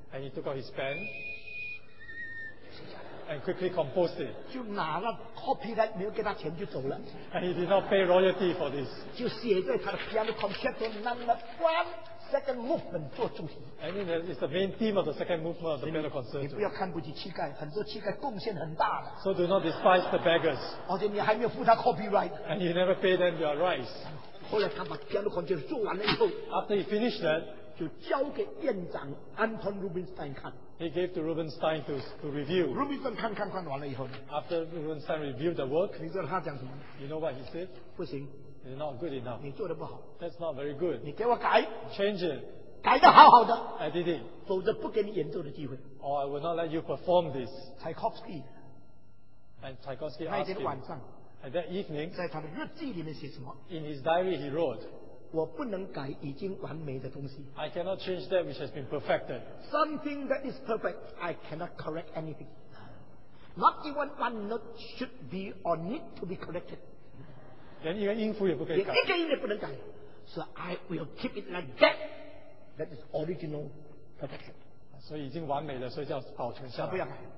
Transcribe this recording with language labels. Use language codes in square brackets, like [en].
[en] and he took out his pen and quickly composed it. [zh] 就拿了copyright没有给他钱就走了。 [en] And he did not pay royalty for this. [zh] 就写在他的 [en] piano concerto number one second movement [zh] 做主题。 [en] And it's the main theme of the second movement of the piano concerto. [zh] 你不要看不起乞丐, 很多乞丐贡献很大的。 [en] So do not despise the beggars. [zh] 而且你还没有付他 copyright. [en] And you never pay them their rice. [zh] 后来他把 piano concerto 做完了以后， [en] after he finished that, [zh] 就交给院长 Anton Rubinstein 看。 [en] He gave to Rubinstein to review. [zh] Rubinstein 看完了以后， [en] after Rubinstein reviewed the work, [zh] 你知道他讲什么？ [en] You know what he said? [zh] 不行， [en] it's not good enough. [zh] 你做得不好， [en] that's not very good. [zh] 你给我改， [en] change it. [zh] 改得好好的， [en] I did it. [zh] 否则不给你演奏的机会， [en] or I will not let you perform this. Tchaikovsky, and Tchaikovsky asked him [zh] 那天晚上， [en] and that evening, [zh] 在他的日记里面写什么? [en] In his diary, he wrote, [zh] 我不能改已经完美的东西。 [en] I cannot change that which has been perfected. Something that is perfect, I cannot correct anything. Not even one note should be or need to be corrected. [zh] 连一个音符也不可以改。连一个音也不能改。 [en] So I will keep it like that. That is original perfection. [zh] 所以已经完美了, 所以叫保存下来。他不要改。